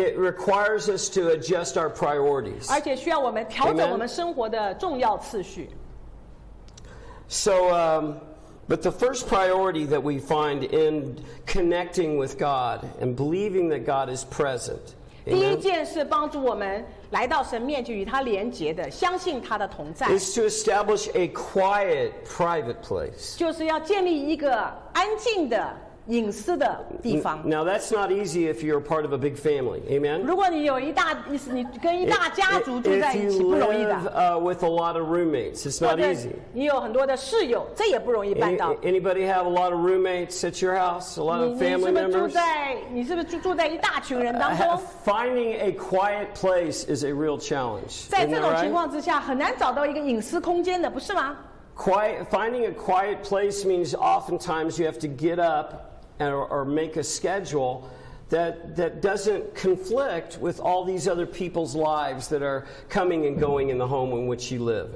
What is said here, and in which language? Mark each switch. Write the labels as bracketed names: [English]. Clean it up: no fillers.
[English] It requires us to adjust our priorities. [Chinese] 而且需要我们调整我们生活的重要次序。 [English] So, but the first priority that we find in connecting with God and believing that God is present. [Chinese] 第一件事帮助我们来到神面前与他连结的，相信他的同在。 [English] Is to establish a quiet, private place. [Chinese] 就是要建立一个安静的隐私的地方。 [English] Now that's not easy if you're part of a big family. Amen. [Chinese] 如果你跟一大家族住在一起，不容易的。 [English] With a lot of roommates, it's not easy. [Chinese] 你有很多的室友，这也不容易办到。 [English] Anybody have a lot of roommates at your house? A lot of family members? [Chinese] 你是不是住在一大群人当中？ [English] Finding a quiet place is a real challenge. [Chinese] 在这种情况之下，很难找到一个隐私空间的，不是吗？ [English] Finding a quiet place means oftentimes you have to get up or make a schedule that doesn't conflict with all these other people's lives that are coming and going in the home in which you live.